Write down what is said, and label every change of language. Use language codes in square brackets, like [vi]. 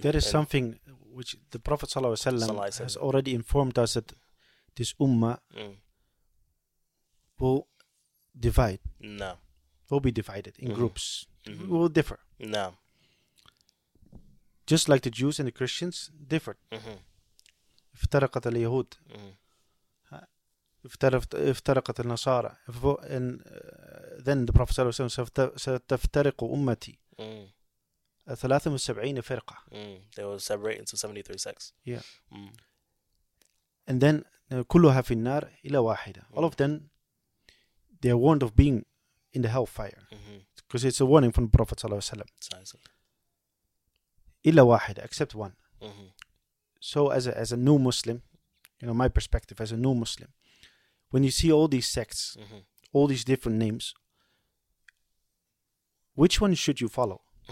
[en] There is something which the Prophet ﷺ has already informed us that this ummah will divide. No. Will be divided in groups. Mm-hmm. Will differ. No. Just like the Jews and the Christians differed. [ar] افترقت اليهود افترقت النصارى [en] and then the Prophet ﷺ said [ar] ستفترق أمتي ثلاثة وسبعين فرقة. [en] They will separate into 73 sects. Yeah. And then [ar] كلها في النار إلى واحدة. [en] All of them, they are warned of being in the hellfire. Because it's a warning from the Prophet ﷺ. [ar] إلا واحدة, [en] except one. So as a new Muslim, you know, my perspective as a new Muslim, when you see all these sects, all these different names, which one should you follow?